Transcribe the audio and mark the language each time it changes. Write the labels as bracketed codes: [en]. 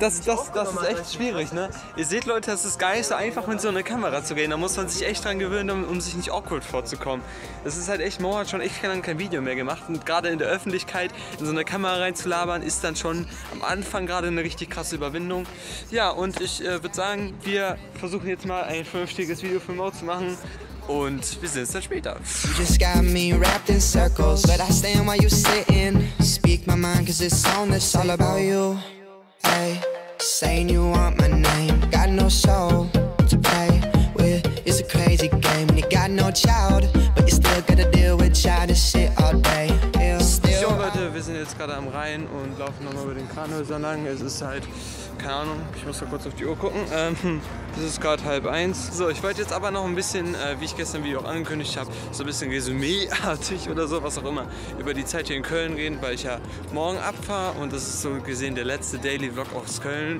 [de] Das ist echt schwierig, ne? Ihr seht, Leute, es ist geil, so einfach mit so einer Kamera zu gehen. Da muss man sich echt dran gewöhnen, um sich nicht awkward vorzukommen. Das ist halt echt, Mo hat schon echt lange kein Video mehr gemacht. Und gerade in der Öffentlichkeit in so eine Kamera reinzulabern, ist dann schon am Anfang gerade eine richtig krasse Überwindung. Ja, und ich würde sagen, wir versuchen jetzt mal ein vernünftiges Video für Mo zu machen. Und wir sehen uns dann später. [en] You just got me wrapped in circles, but I stand while you sitting. Speak my mind, cause this song is all about you. Hey, saying you want my name. Got no soul to play with. It's a crazy game. You got no child, but you still gotta deal with childish shit all day. [de] Jo Leute, wir sind jetzt gerade am Rhein und laufen nochmal über den Kranhäusern lang. Es ist halt, keine Ahnung, ich muss mal kurz auf die Uhr gucken. Es ist gerade 12:30. So, ich wollte jetzt aber noch ein bisschen, wie ich gestern Video auch angekündigt habe, so ein bisschen resümeeartig oder so, was auch immer, über die Zeit hier in Köln reden, weil ich ja morgen abfahre und das ist so gesehen der letzte Daily Vlog aus Köln.